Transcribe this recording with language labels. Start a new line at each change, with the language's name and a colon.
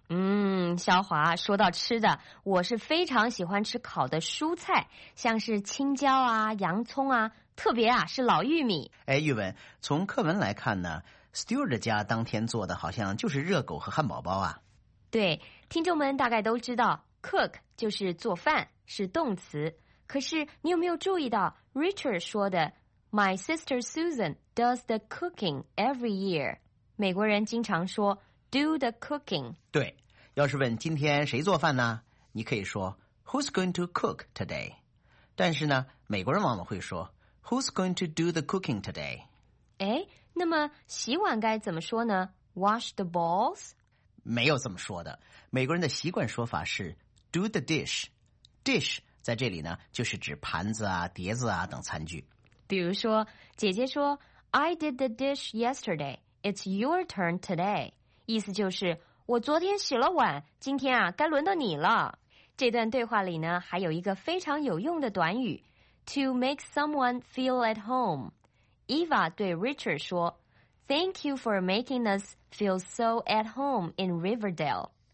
Chinese: 嗯，小华，说到吃的，我是非常喜欢吃烤的蔬菜，像是青椒啊洋葱啊，特别啊是老玉米。哎，玉文，从课文来看呢， Stuart 家当天做的好像就是热狗和汉堡包啊。对，听众们大概都知道 cook 就是做饭，是动词。可是你有没有注意到
English: Richard 说的 My sister Susan does the cooking every year。
Chinese: 美国人经常说 do the cooking。对，要是问今天谁做饭呢，你可以说
English: who's going to cook today。
Chinese: 但是呢美国人往往会说
English: who's going to do the cooking today。
Chinese: 哎，那么洗碗该怎么说呢？
English: wash the bowls。
Chinese: 没有这么说的，美国人的习惯说法是
English: do the dish。
Chinese: dish 在这里呢就是指盘子啊碟子啊等餐具。比如说姐姐说
English: I did the dish yesterday,It's your turn today.
Chinese: 意思就是我昨天洗了碗，今天啊该轮到你了。这段对话里呢还有一个非常有用的短语
English: To make someone feel at home. Eva 对 Richard 说 Thank you for making us feel so at home in Riverdale.